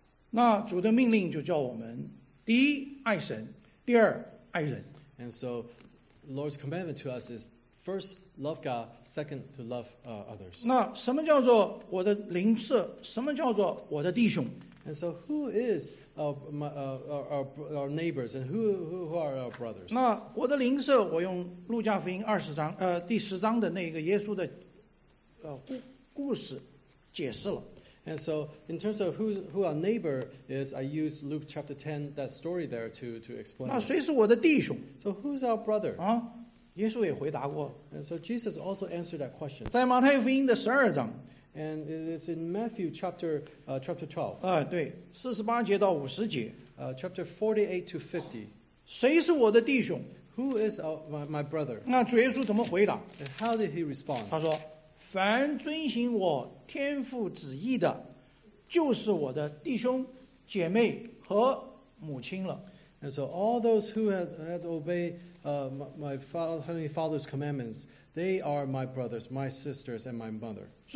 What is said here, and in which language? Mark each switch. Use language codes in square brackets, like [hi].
[zh] 那主的命令就叫我们, 第一爱神, 第二爱人。 [en] And so the Lord's commandment to us is first love God, second to love others. [zh] 那什么叫做我的邻舍, 什么叫做我的弟兄? [en] And so who is our neighbors and who are our brothers? [zh] 那我的邻舍, 我用路加福音20章, 第10章的那个耶稣的, 故事解释了。 [en] And so in terms of who our neighbor is, I use Luke chapter 10, that story there to explain. [zh] 那谁是我的弟兄? [en] So who's our brother? [zh] 啊?耶稣也回答过, [en] and so Jesus also answered that question. [zh] 在马太福音的12章, [en] and it is in Matthew chapter 12. [zh] 对, 48节到50节, [en] chapter 48 to 50. [zh] 谁是我的弟兄? [en] Who is my brother? [zh] 那主耶稣怎么回答? [en] And how did he respond? [zh] 他说, 凡遵行我天父旨意的, 就是我的弟兄姐妹和母亲了。 [en] And so all those who had obeyed my father, Heavenly Father's commandments, they are my brothers, my sisters, and my mother.